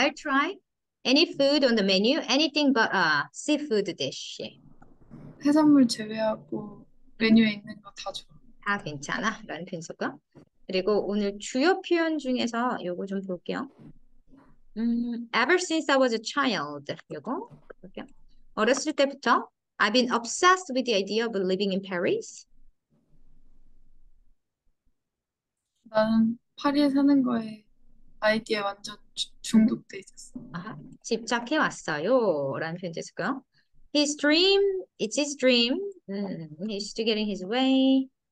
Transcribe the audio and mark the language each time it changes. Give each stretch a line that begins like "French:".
English: I'll try any food on the menu. Anything but a seafood dish.
Korean: 해산물 제외하고 메뉴에 있는 거다 좋아. 다 괜찮아. 라는 편집과. 그리고 오늘 주요 표현 중에서 요거 좀 볼게요.
English: Ever since I was a child.
Korean: 요거 볼게요. 어렸을 때부터
English: I've been obsessed with the idea of living in Paris.
Korean: 나는 파리에 사는 거에 아이디어 완전 중독돼 있었어. 아하, 집착해 왔어요. 라는 편집과.
English: His dream, it's his dream. He's still getting his way.